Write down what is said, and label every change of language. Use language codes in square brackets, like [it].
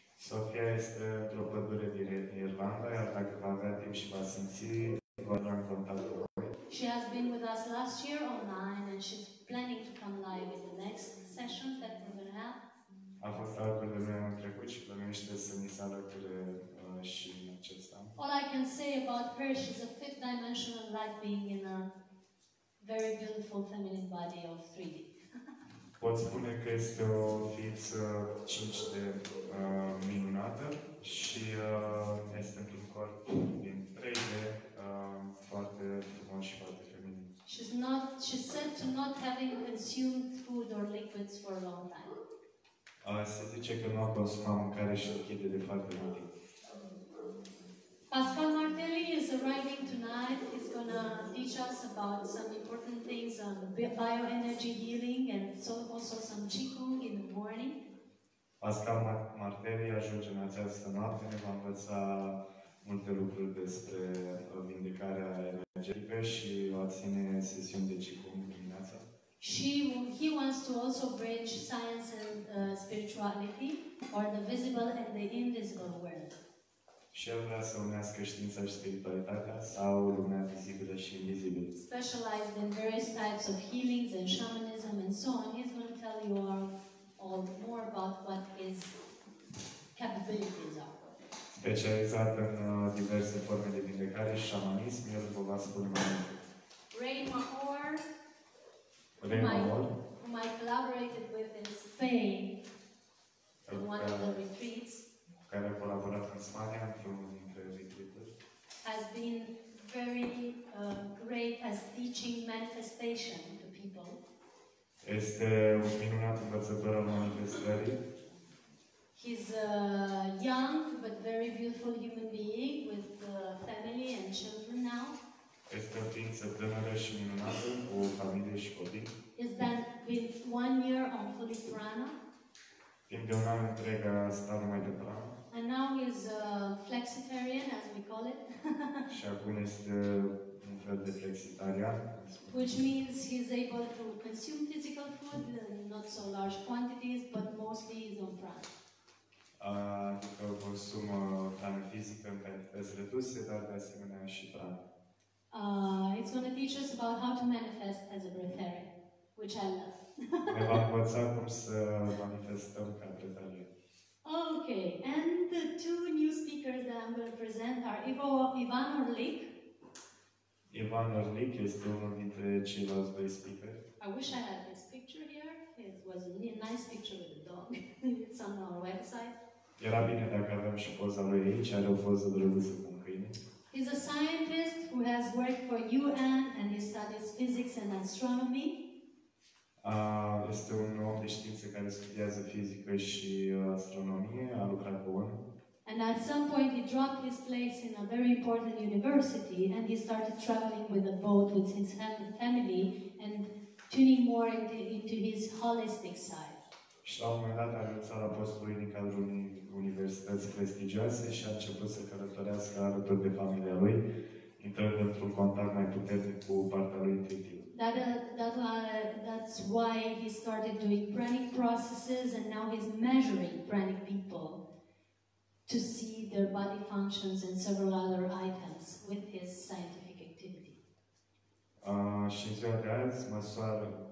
[ro] Sophia este într-o pădure din Irlanda, iar dacă va avea timp și va simți, va intra în contact cu voi. [en] She has been with us last year online, and she's planning to come live in the next session that we're going to have. [ro] A fost alături de noi în trecut și plănește să ni se alăture și în acest an. [en] All I can say about her, she's a fifth dimensional light being in a very beautiful feminine body of 3D. [ro] Pot spune că este o ființă 5D minunată și este într-un corp din 3D foarte frumos și foarte feminin. [en] She's said to not having consumed food or liquids for a long time. [ro] Se zice că nu a consumat mâncare și lichide de foarte mult timp. [en] Pascal Martelli is arriving tonight. He's going to teach us about some important things on bioenergy healing and also some qigong in the morning. [ro] Pascal Martelli ajunge în această noapte, ne va învăța multe lucruri despre vindecarea energetică și va ține sesiuni de qigong dimineața. [en] He wants to also bridge science and spirituality, or the visible and the invisible world. [ro] Și el vrea să unească știința și spiritualitatea sau lumea vizibilă și invizibilă. [en] Specialized in various types of healings and shamanism and so on, he's going to tell you all more about what his capabilities are. [ro] Specializat în diverse forme de vindecare și șamanism, el vă va spune mai mult. [en] Ray Mahor, whom I collaborated with in Spain in one of the retreats, [ro] care a colaborat în Spania într-un dintre retreaturi, [en] has been very great as teaching manifestation to people. [ro] Este un minunat învățător al manifestării. [en] He's a young but very beautiful human being with family and children now. [ro] Este o ființă tânără și minunată, cu familie și copii. [en] He's been 1 year on fully prana. [ro] Timp de un an întreg a stat numai de prana. [en] And now he's a flexitarian, as we call it. [ro] Și acum este un fel de flexitarian. [en] Which means he's able to consume physical food in not so large quantities, but mostly he's on prana. [ro] Adică consumă prana fizică în cantități reduse, dar de asemenea și prana. [en] It's going to teach us about how to manifest as a breatharian, which I love. [ro] Ne va învăța cum să manifestăm ca breatharian. [en] Okay, and the two new speakers that I'm going to present are Ivan Orlik. [ro] Ivan Orlik este unul dintre ceilalți doi speakers. [en] I wish I had this picture here. It was a nice picture with a dog. It's on our website. [ro] Era bine dacă avem și poza lui aici, are o poză drăguță cu un câine. [en] He's a scientist who has worked for UN and he studies physics and astronomy. [ro] Este un om de știință care studiază fizică și astronomie, a lucrat cu UN. [en] And at some point he dropped his place in a very important university and he started traveling with a boat with his family and tuning more into his holistic side. [ro] Și la un moment dat a renunțat la postul lui din cadrul unei universități prestigioase și a început să călătorească alături de familia lui, intrând într-un contact mai puternic cu partea lui intuitivă. [en] That's why he started doing pranic processes, and now he's measuring pranic people to see their body functions and several other items with his scientific activity. [ro] Și în ziua de azi, măsoară.